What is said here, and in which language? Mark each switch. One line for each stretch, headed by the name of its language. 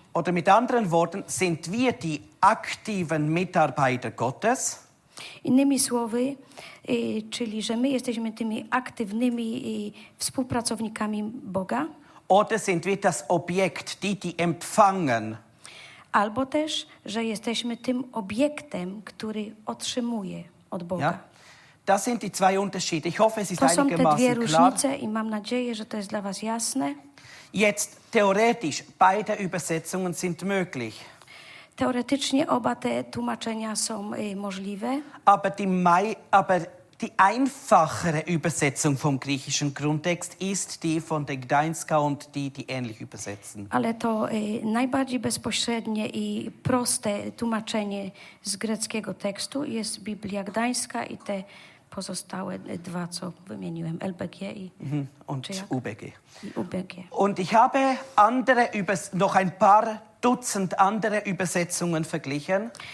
German: Oder mit anderen Worten, sind wir die aktiven Mitarbeiter Gottes?
Polish: Innymi słowy, czyli że my jesteśmy tymi aktywnymi współpracownikami Boga?
German: Oder sind wir das Objekt, die empfangen?
Polish: Albo też, że jesteśmy tym obiektem, który otrzymuje od Boga. Ja?
German: Das sind die zwei Unterschiede. Ich hoffe, es ist einigermaßen klar.
Polish: To są te dwie różnice i mam nadzieję, że to jest dla was jasne.
German: Jetzt theoretisch beide Übersetzungen sind möglich.
Polish: Teoretycznie oba te tłumaczenia są możliwe.
German: Aber die einfachere Übersetzung vom griechischen Grundtext ist die von der Gdańska und die ähnlich übersetzen.
Polish: Ale to najbardziej bezpośrednie i proste tłumaczenie z greckiego tekstu jest Biblia Gdańska i te pozostałe dwa, co wymieniłem, LBG i UBG. UBG.
German: Und ich habe andere noch ein paar Dutzend andere Übersetzungen verglichen.